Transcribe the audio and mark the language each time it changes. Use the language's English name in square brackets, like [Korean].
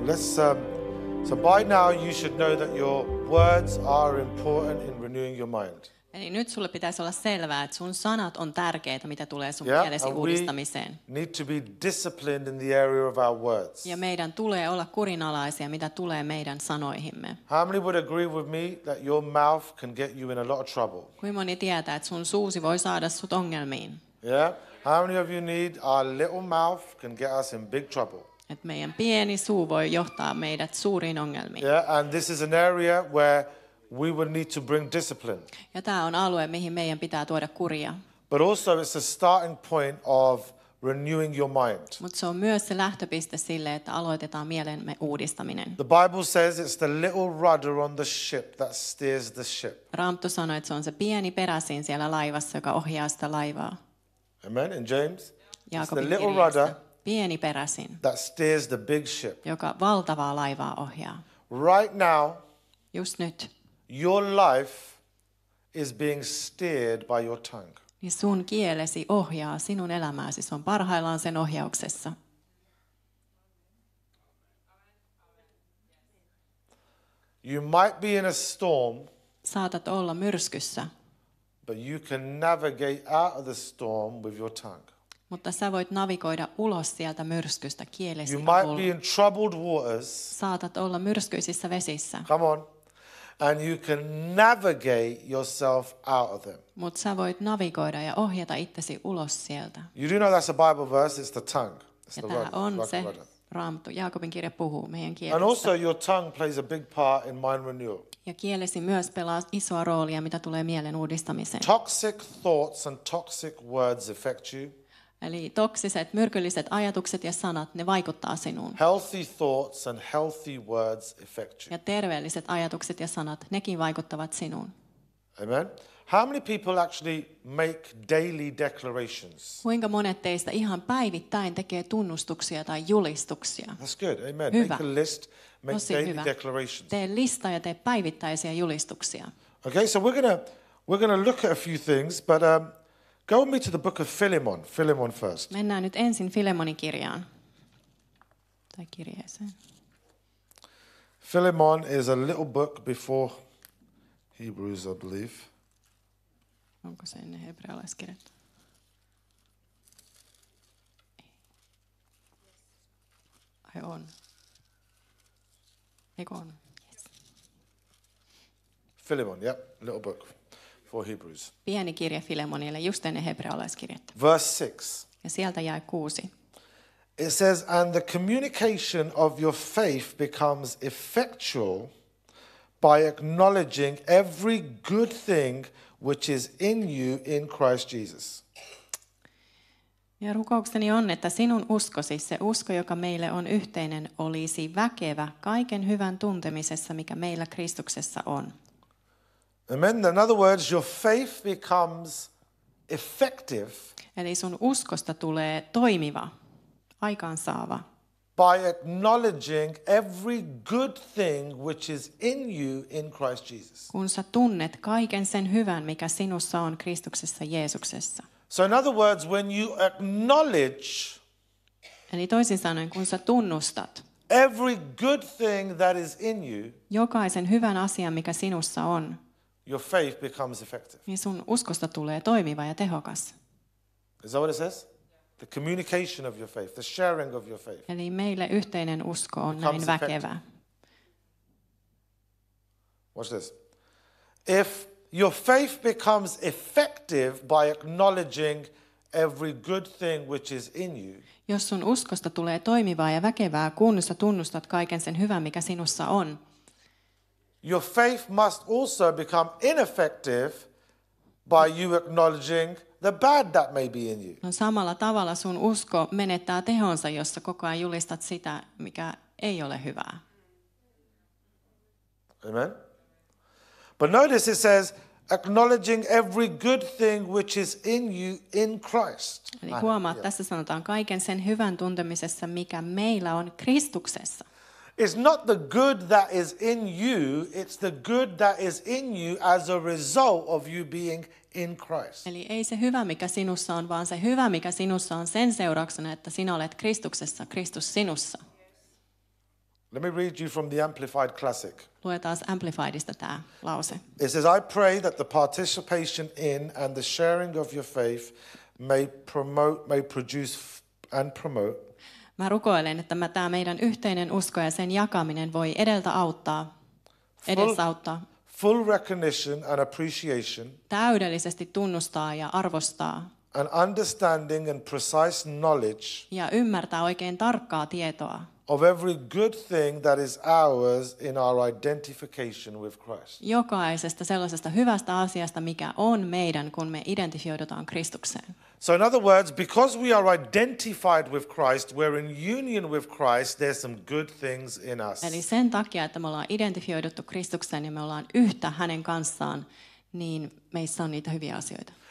[English] So by now you should know that your words are important in renewing your mind. [Finnish] Eli nyt sulle pitäisi olla selvää, että sun sanat on tärkeitä, mitä tulee sun mielesi uudistamiseen. [English] We need to be disciplined in the area of our words. [Finnish] Ja meidän tulee olla kurinalaisia, mitä tulee meidän sanoihimme. [English] How many would agree with me that your mouth can get you in a lot of trouble? [Finnish] Kuinka moni tietää, että sun suusi voi saada sut ongelmiin? [English] Yeah. How many of you need our little mouth can get us in big trouble? [Finnish] Että meidän pieni suu voi johtaa meidät suuriin ongelmiin. [English] Yeah, and this is an area where we will need to bring discipline. [Finnish] Ja tämä on alue, mihin meidän pitää tuoda kuria. [English] But also it's a starting point of renewing your mind. [Finnish] Mutta se on myös se lähtöpiste sille, että aloitetaan mielemme uudistaminen. [English] The Bible says it's the little rudder on the ship that steers the ship. [Finnish] Raamattu sanoo, että se on se pieni peräsin siellä laivassa, joka ohjaa sitä laivaa. [English] Amen. In James. It's the little rudder. [Finnish] Pieni peräsin, [English] that steers the big ship. [Finnish] Joka valtavaa laivaa ohjaa. [English] Right now, [Finnish] just nyt, [English] your life is being steered by your tongue. [Finnish] Niin sun kielesi ohjaa sinun elämääsi, se on parhaillaan sen ohjauksessa. [English] You might be in a storm. [Finnish] Saatat olla myrskyssä. [English] But you can navigate out of the storm with your tongue. [Finnish] Mutta sä voit navigoida ulos sieltä myrskystä kielesi avulla. [English] You might be in troubled waters. [Finnish] Saatat olla myrskyisissä vesissä. [English] Come on. And you can navigate yourself out of them. [Finnish] Mut sä voit navigoida ja ohjata itsesi ulos sieltä. [English] You do know that's a Bible verse, it's the tongue. It's [Finnish] ja tämä on se Raamattu, Jaakobin kirja puhuu meidän kielestä. [English] And also your tongue plays a big part in mind renewal. [Finnish] Ja kielesi myös pelaa isoa roolia, mitä tulee mielen uudistamiseen. [English] Toxic thoughts and toxic words affect you. [Finnish] Eli toksiset, myrkylliset ajatukset ja sanat, ne vaikuttaa sinuun. [English] Healthy thoughts and healthy words affect you. [Finnish] Ja terveelliset ajatukset ja sanat, nekin vaikuttavat sinuun. [English] Amen. How many people actually make daily declarations? [Finnish] Kuinka monet teistä ihan päivittäin tekee tunnustuksia tai julistuksia? [English] That's good. Amen. [Finnish] Hyvä. [English] Make a list, make [Finnish] Tosi [English] daily [Finnish] hyvä. [English] Declarations. [Finnish] Tee lista ja tee päivittäisiä julistuksia. [English] Okay, so we're gonna look at a few things, but go with me to the book of Philemon. Philemon first. [Finnish] Mennään nyt ensin Filemonin kirjaan. Tai kirjeeseen. [English] Philemon is a little book before Hebrews, I believe. [Finnish] Onko se ennen hebrealaiskirjettä? Ai on. Eikö on? [English] Yes. Philemon, yeah, little book. For Hebrews. [Finnish] Pieni kirja Filemonille, just ennen hebrealaiskirjettä. [English] Verse 6. [Finnish] Ja sieltä jäi 6. [English] It says, and the communication of your faith becomes effectual by acknowledging every good thing which is in you in Christ Jesus. [Finnish] Ja rukoukseni on, että sinun uskosi, se usko, joka meille on yhteinen, olisi väkevä kaiken hyvän tuntemisessa, mikä meillä Kristuksessa on. [English] Amen. In other words, your faith becomes effective. [Finnish] Eli sun uskosta tulee toimiva, aikaansaava. [English] By acknowledging every good thing which is in you in Christ Jesus. [Finnish] Kun sä tunnet kaiken sen hyvän, mikä sinussa on Kristuksessa Jeesuksessa. [English] So in other words, when you acknowledge. [Finnish] Eli toisin sanoen, kun sä tunnustat. [English] Every good thing that is in you. [Finnish] Jokaisen hyvän asian, mikä sinussa on. [English] Your faith becomes effective. [Finnish] Niin sun uskosta tulee toimiva ja tehokas. [English] Is that what it says? The communication of your faith, the sharing of your faith. [Finnish] Eli meille yhteinen usko on näin väkevä. [English] Watch this. If your faith becomes effective by acknowledging every good thing which is in you. [Finnish] Jos sun uskosta tulee toimivaa ja väkevää, kun sä tunnustat kaiken sen hyvän, mikä sinussa on. [English] Your faith must also become ineffective by you acknowledging the bad that may be in you. [Finnish] No samalla tavalla sun usko menettää tehonsa, jos sä koko ajan julistat sitä, mikä ei ole hyvää. [English] Amen. But notice it says acknowledging every good thing which is in you in Christ. [Finnish] Eli huomaa, tässä sanotaan kaiken sen hyvän tuntemisessa, mikä meillä on Kristuksessa. [English] It's not the good that is in you, it's the good that is in you as a result of you being in Christ. [Finnish] Eli ei se hyvä, mikä sinussa on, vaan se hyvä, mikä sinussa on sen seurauksena, että sinä olet Kristuksessa, Kristus sinussa. [English] Let me read you from the Amplified Classic. [Finnish] Lue taas Amplifiedista tämä lause. [English] It says, I pray that the participation in and the sharing of your faith may produce and promote. [Finnish] Mä rukoilen, että tämä meidän yhteinen usko ja sen jakaminen voi edesauttaa. [English] Full recognition and appreciation. [Finnish] Täydellisesti tunnustaa ja arvostaa. [English] An understanding and precise knowledge. [Finnish] Ja ymmärtää oikein tarkkaa tietoa. [English] Of every good thing that is ours in our identification with Christ. [Finnish] Jokaisesta sellaisesta hyvästä asiasta, mikä on meidän, kun me identifioidutaan Kristukseen. [English] So in other words, because we are identified with Christ, we're in union with Christ, there's some good things in us. [Finnish] Eli sen takia, että me ollaan identifioiduttu Kristukseen ja me ollaan yhtä hänen kanssaan, niin meissä on niitä hyviä asioita.